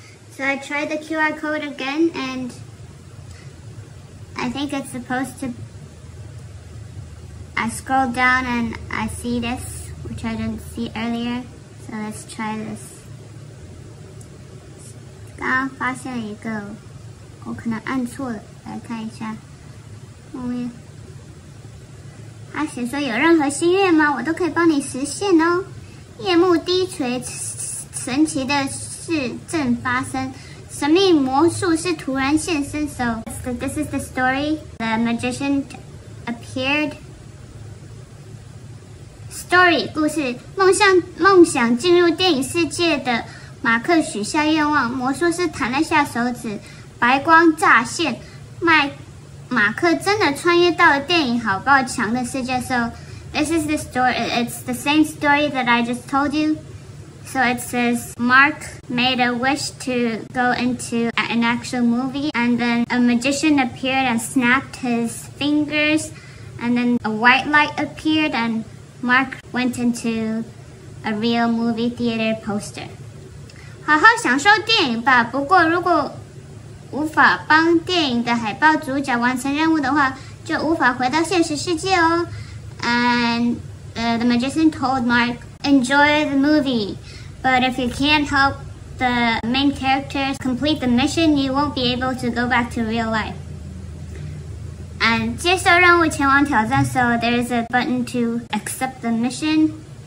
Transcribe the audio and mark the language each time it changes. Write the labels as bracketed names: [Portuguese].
[English] So I tried the QR code again and I think it's supposed to... I scroll down and I see this, which I didn't see earlier. So let's try this. [Chinese] 刚发现了一个，我可能按错了，来看一下后面。他写说有任何心愿吗？我都可以帮你实现哦。夜幕低垂，神奇的事正发生，神秘魔术师突然现身。 [English] So this is the story. The magician appeared. [Chinese] Story 故事，梦想进入电影世界的。马克许下愿望，魔术师弹了下手指，白光乍现，马克真的穿越到了电影《好高墙》的世界。 [English] So this is the story. It's the same story that I just told you. So it says Mark made a wish to go into an actual movie, and then a magician appeared and snapped his fingers, and then a white light appeared, and Mark went into a real movie theater poster. [Chinese] 好好享受电影吧，不过如果无法帮电影的海报主角完成任务的话，就无法回到现实世界哦。 [English] And the magician told Mark, enjoy the movie, but if you can't help the main characters complete the mission, you won't be able to go back to real life. And [Chinese] 接受任务前往挑战 [English] so there's a button to accept the mission.